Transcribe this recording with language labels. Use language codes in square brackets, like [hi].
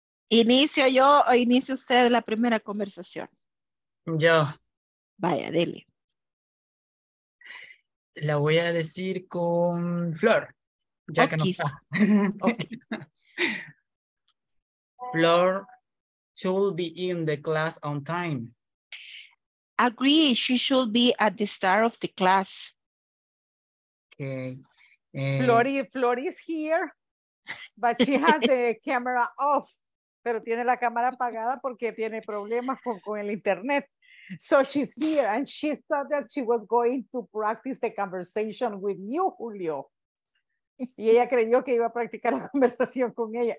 [es] Inicio yo o inicio usted la primera conversación. Yo. Vaya, dele. la voy a decir con Flor, ya que no está. [en] Flor should be in the class on time. Agree, she should be at the start of the class. Okay. Flor is here, but she has the camera off. [es] Pero tiene la cámara apagada porque tiene problemas con el internet. [en] So she's here and she thought that she was going to practice the conversation with you, Julio. [es] Y ella creyó que iba a practicar la conversación con ella.